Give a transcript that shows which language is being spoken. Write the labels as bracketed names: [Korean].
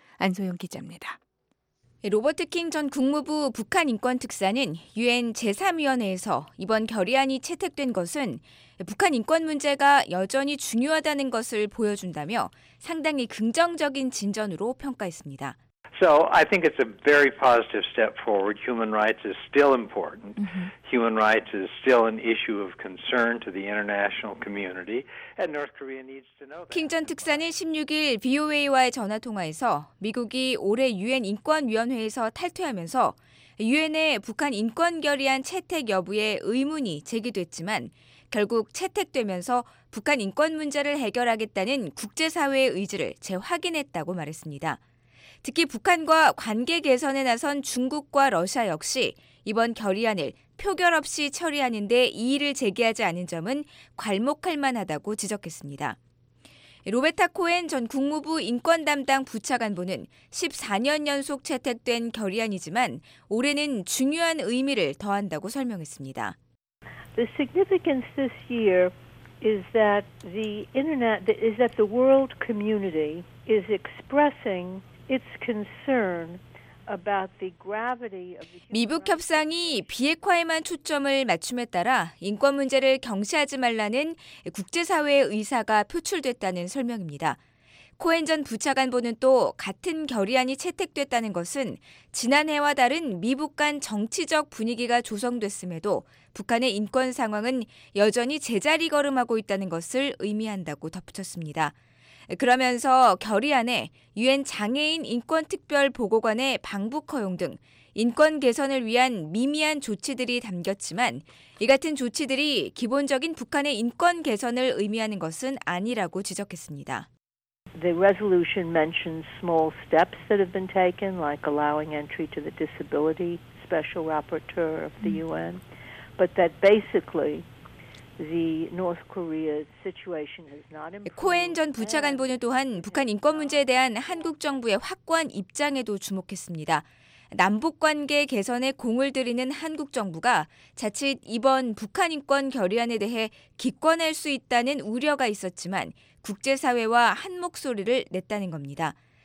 [Korean] 안소영 기자입니다. 로버트 킹 전 국무부 북한인권특사는 유엔 제3위원회에서 이번 결의안이 채택된 것은 북한 인권 문제가 여전히 중요하다는 것을 보여준다며 상당히 긍정적인 진전으로 평가했습니다. [English] So I think it's a very positive step forward. Human rights is still important. Human rights is still an issue of concern to the international community. And North Korea needs to know that. [Korean] 킹 전 특사는 16일 VOA와의 전화 통화에서 미국이 올해 유엔 인권위원회에서 탈퇴하면서 유엔의 북한 인권 결의안 채택 여부에 의문이 제기됐지만 결국 채택되면서 북한 인권 문제를 해결하겠다는 국제사회의 의지를 재확인했다고 말했습니다. 특히 북한과 관계 개선에 나선 중국과 러시아 역시 이번 결의안을 표결 없이 처리하는 데 이의를 제기하지 않은 점은 괄목할 만하다고 지적했습니다. 로베타 코엔 전 국무부 인권담당 부차관보는 14년 연속 채택된 결의안이지만 올해는 중요한 의미를 더한다고 설명했습니다. [English] The significance this year is that the internet is that the world community is expressing its concern about the gravity of the [Korean] 미북 협상이 비핵화에만 초점을 맞춤에 따라 인권 문제를 경시하지 말라는 국제사회의 의사가 표출됐다는 설명입니다. 코엔 전 부차관보는 또 같은 결의안이 채택됐다는 것은 지난해와 다른 미북 간 정치적 분위기가 조성됐음에도 북한의 인권 상황은 여전히 제자리 걸음하고 있다는 것을 의미한다고 덧붙였습니다. 그러면서 결의안에 유엔 장애인 인권특별보고관의 방북 허용 등 인권 개선을 위한 미미한 조치들이 담겼지만 이 같은 조치들이 기본적인 북한의 인권 개선을 의미하는 것은 아니라고 지적했습니다. [English] The resolution mentions small steps that have been taken, like allowing entry to the disability special rapporteur of the UN, but that basically the North Korea's situation has not improved. [Korean] 코엔 전 부차관보는 또한 북한 인권 문제에 대한 한국 정부의 확고한 입장에도 주목했습니다. 남북관계 개선에 공을 들이는 한국 정부가 자칫 이번 북한 인권 결의안에 대해 기권할 수 있다는 우려가 있었지만 국제사회와 한 목소리를 냈다는 겁니다.